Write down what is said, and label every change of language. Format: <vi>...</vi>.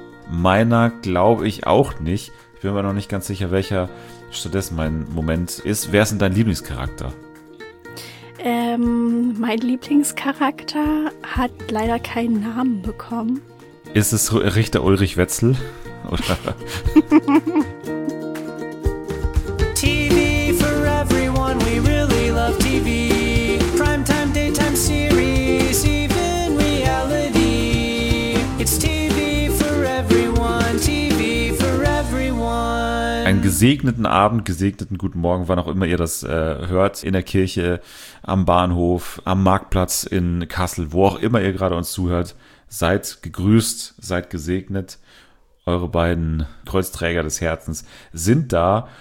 <de>Meiner glaube ich auch nicht. Ich bin mir noch nicht ganz sicher, welcher stattdessen mein Moment ist. Wer ist denn dein Lieblingscharakter? Mein Lieblingscharakter hat leider keinen Namen bekommen. Ist es Richter Ulrich Wetzel? Oder?</de> <en>TV for everyone, we really love TV. Primetime, daytime series, even reality. It's TV for everyone, TV for everyone.</en> <de>Einen gesegneten Abend, gesegneten guten Morgen, wann auch immer ihr das hört. In der Kirche, am Bahnhof, am Marktplatz in Kassel, wo auch immer ihr gerade uns zuhört. Seid gegrüßt, seid gesegnet. Eure beiden Kreuzträger des Herzens sind da.</de>